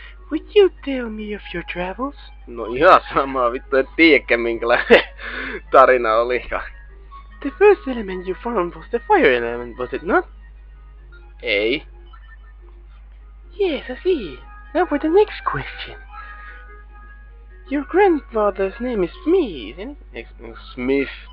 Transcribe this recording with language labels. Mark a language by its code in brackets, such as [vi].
[en] Would you tell me of your travels? [fi] No ihan samaa vittu, en tiedäkään minkälainen tarina olikaan. [en] The first element you found was the fire element, was it not? [fi] Ei. [en] Yes, I see. Now for the next question. Your grandfather's name is Smith, isn't it? Smith.